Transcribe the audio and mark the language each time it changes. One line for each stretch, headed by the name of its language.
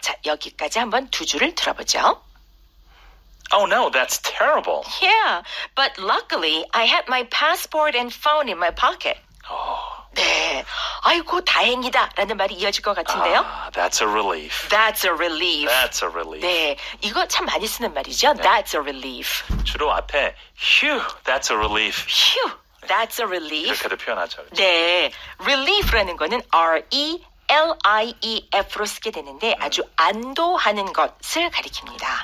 Korean: 자, 여기까지 한번 두 줄을 들어보죠.
English: Oh, no, that's terrible. Yeah, but luckily, I had my passport and phone in my pocket. Oh.
Korean: 네, 아이고, 다행이다, 라는 말이 이어질 것 같은데요.
English: That's a relief. That's a relief. That's a relief.
Korean: 네, 이거 참 많이 쓰는 말이죠. 네.
English: That's a relief.
Korean: 주로 앞에,
English: phew, that's a relief. Phew, that's a relief.
Korean: 그렇게도 표현하죠. 그렇죠? 네, relief라는 거는 R-E-L-I-E-F로 쓰게 되는데 아주 안도하는 것을 가리킵니다.